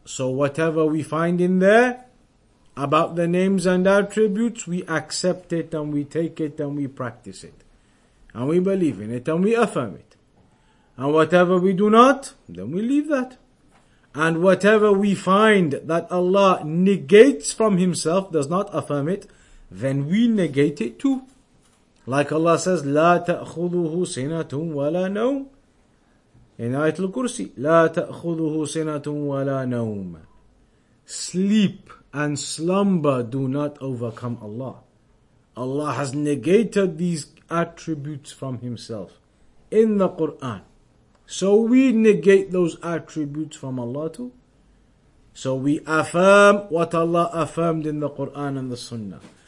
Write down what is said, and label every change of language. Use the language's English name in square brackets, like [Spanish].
[English] So whatever we find in there about the names and attributes, we accept it and we take it and we practice it. And we believe in it and we affirm it. And whatever we do not, then we leave that. And whatever we find that Allah negates from Himself, does not affirm it, then we negate it too. Like Allah says, [Arabic] لا تأخذه سنة ولا نوم. In Ayatul Kursi, لا تأخذه سنة ولا نوم. [English] Sleep and slumber do not overcome Allah. Allah has negated these attributes from Himself in the Quran. So we negate those attributes from Allah too. So we affirm what Allah affirmed in the Quran and the Sunnah.